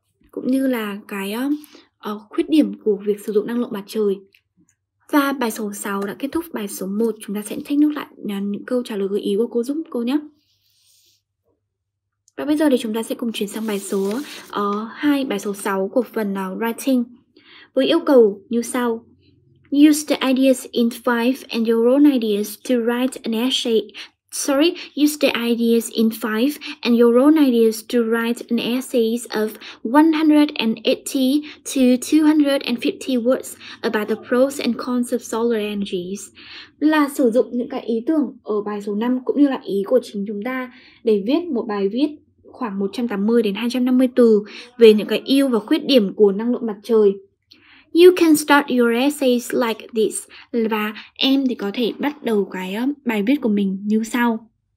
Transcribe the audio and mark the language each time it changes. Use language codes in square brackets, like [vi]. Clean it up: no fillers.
[vi] Cũng như là cái khuyết điểm của việc sử dụng năng lượng mặt trời. Và bài số 6 đã kết thúc bài số 1. Chúng ta sẽ check note lại những câu trả lời gợi ý của cô giúp cô nhé. Và bây giờ thì chúng ta sẽ cùng chuyển sang bài số 2, bài số 6 của phần writing. Với yêu cầu như sau. [en] Use the ideas in 5 and your own ideas to write an essay. Use the ideas in 5 and your own ideas to write an essay of 180 to 250 words about the pros and cons of solar energies. [vi] Là sử dụng những cái ý tưởng ở bài số 5 cũng như là ý của chính chúng ta để viết một bài viết khoảng 180 đến 250 từ về những cái ưu và khuyết điểm của năng lượng mặt trời. [en] You can start your essays like this. [vi] Và em thì có thể bắt đầu cái bài viết của mình như sau.